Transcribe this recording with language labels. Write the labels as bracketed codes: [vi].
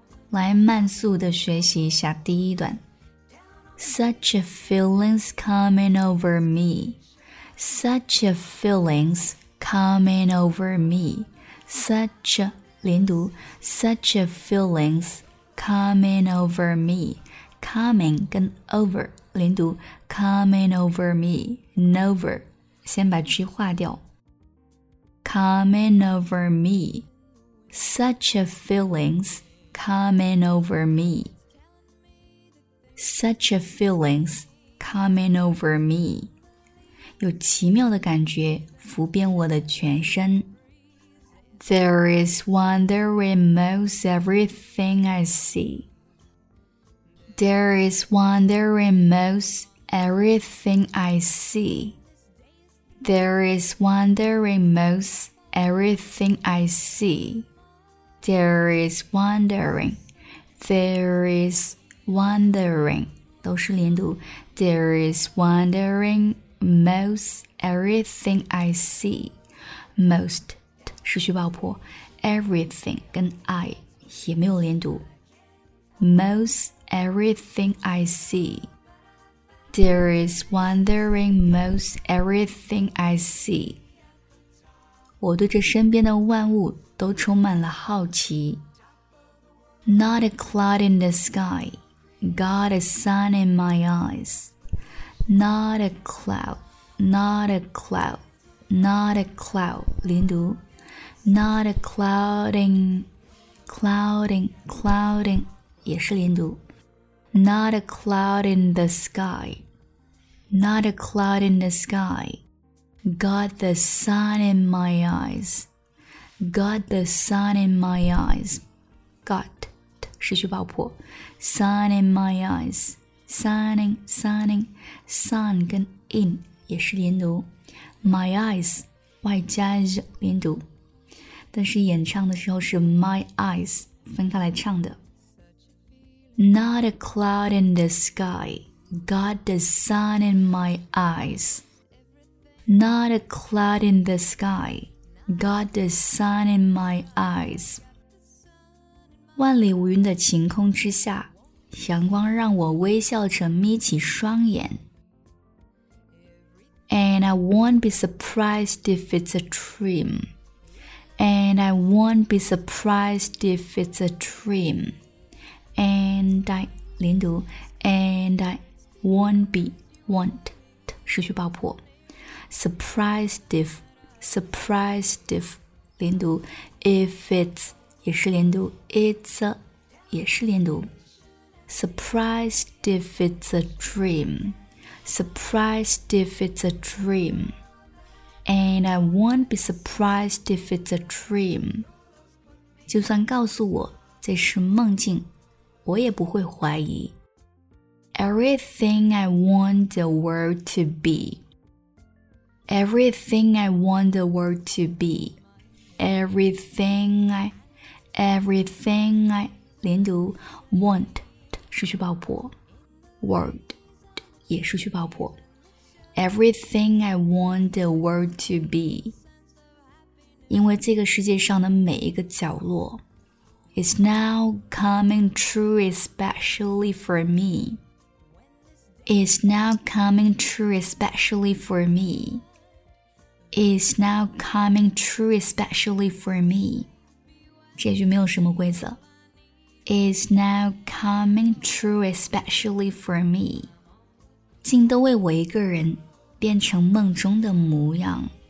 [zh] 来慢速的学习一下第一段。 [en] Such a feeling's coming over me. Such a feeling's coming over me. Such a 连读 Such a feeling's coming over me. Coming 跟 over 连读 Coming over me. Over 先把 G 划掉。 Coming over me. Such a feeling'sComing over me. Such a feeling's coming over me. [zh] 有奇妙的感觉浮遍我的全身。 [en] There is wonder in most everything I see. There is wonder in most everything I see. There is wonder in most everything I see. There is wondering, there is wondering, 都是连读 There is wondering most everything I see. Most 是虚爆破 Everything 跟 I 也没有连读 Most everything I see. There is wondering most everything I see. [zh] 我对这身边的万物都充满了好奇。 [en] Not a cloud in the sky, got a sun in my eyes. Not a cloud, not a cloud, not a cloud, 连读。 Not a clouding, clouding, clouding, 也是连读。 Not a cloud in the sky, not a cloud in the sky, got the sun in my eyes. Got the sun in my eyes. Got 是虚爆破 Sun in my eyes. Sunning, sunning. [zh] Sun 跟 in 也是连读 My eyes 外加 z 连读，但是演唱的时候是 my eyes 分开来唱的。 [en] Not a cloud in the sky. Got the sun in my eyes. Not a cloud in the skyGot the sun in my eyes. [zh] 万里无云的晴空之下，阳光让我微笑着眯起双眼。 [en] And I won't be surprised if it's a dream. And I won't be surprised if it's a dream. And I 连读 And I won't be won't 失去爆破 Surprised ifSurprised if 连读 If it's 也是连读 It's a 也是连读 Surprised if it's a dream Surprised if it's a dream And I won't be surprised if it's a dream [zh] 就算告诉我这是梦境我也不会怀疑 [en] Everything I want the world to beEverything I want the world to be. Everything I, everything I, 连读 want, 失去爆破 world, [zh] 也失去爆破。 [en] Everything I want the world to be. [zh] 因为这个世界上的每一个角落 [en] is now coming true especially for me. Is now coming true especially for me. Is now coming true especially for me. [zh] 结局没有什么规则。 [en] Is now coming true especially for me. [zh] 竟都为我一个人变成梦中的模样。